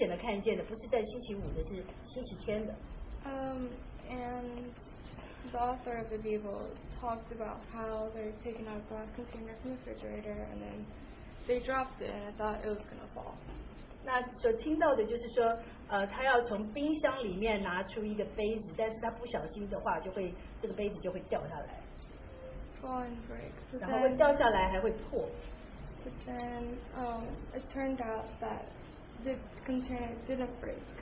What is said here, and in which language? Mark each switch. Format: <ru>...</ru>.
<zh>还有一件事情是对我来说很让我明显的看见的，不是在星期五的，是星期天的。</zh> <en>And the author of the Devo talked about how they're taking out a glass container from the refrigerator and then they dropped it and I thought it was going to fall.</en> <zh>那所听到的就是说，他要从冰箱里面拿出一个杯子，但是他不小心的话，就会这个杯子就会掉下来。</zh> <en>Fall and break.</en> <zh>然后会掉下来，还会破。</zh> <en>But then, it turned out that the container didn't break.</en>